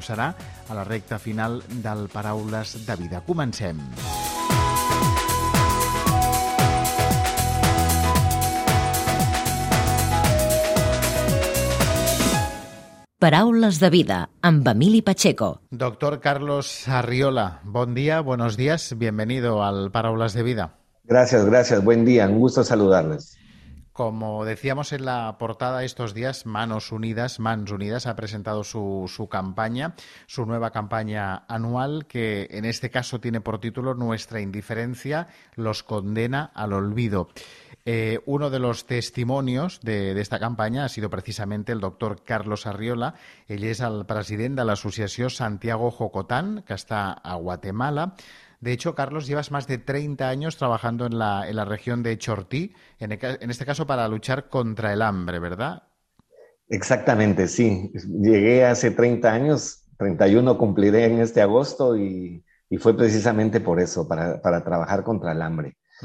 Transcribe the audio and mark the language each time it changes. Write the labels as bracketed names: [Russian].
[Catalan] Serà a la recta final del Paraules de Vida. Comencem. Paraules de Vida, amb Emili Pacheco. [Spanish] Doctor Carlos Arriola, [Catalan] bon dia, [Spanish] buenos días, bienvenido al Paraules de Vida. Gracias, gracias, buen día, un gusto saludarles. Como decíamos en la portada estos días, Mans Unidas ha presentado su campaña, su nueva campaña anual, que en este caso tiene por título Nuestra indiferencia los condena al olvido. Uno de los testimonios de esta campaña ha sido precisamente el doctor Carlos Arriola. [Catalan] Ell és el president de l'associació Santiago Jocotán, que està a Guatemala. [Spanish] De hecho, Carlos, llevas más de 30 años trabajando en la región de Chortí, en este caso para luchar contra el hambre, ¿verdad? Exactamente, sí. Llegué hace 30 años, 31 cumpliré en este agosto, y fue precisamente por eso, para trabajar contra el hambre.